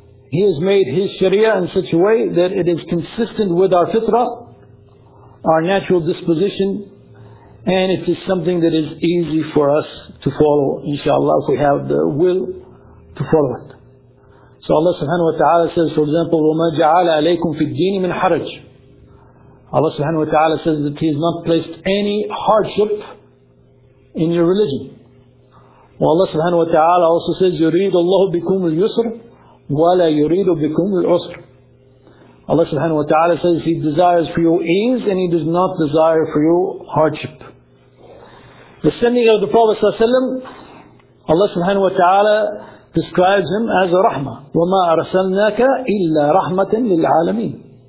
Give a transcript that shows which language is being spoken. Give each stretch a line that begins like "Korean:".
English: He has made His Sharia in such a way that it is consistent with our fitrah, our natural disposition, and it is something that is easy for us to follow, inshallah, if we have the will to follow it. So Allah subhanahu wa ta'ala says, for example,
Arabic: وَمَا جَعَلَ عَلَيْكُمْ فِي الدِّينِ مِنْ حَرَجٍ.
English: Allah subhanahu wa ta'ala says that He has not placed any hardship in your religion. Allah subhanahu wa ta'ala also says,
Arabic: يُرِيدُ اللَّهُ بِكُمُ الْيُسْرِ وَلَا يُرِيدُ بِكُمُ الْعُسْرِ.
English: Allah subhanahu wa ta'ala says He desires for you ease and He does not desire for you hardship. The sending of the Prophet ﷺ, Allah subhanahu wa ta'ala describes him as a rahmah.
Arabic: وَمَا أَرْسَلْنَاكَ إِلَّا رَحْمَةً لِلْعَالَمِينَ.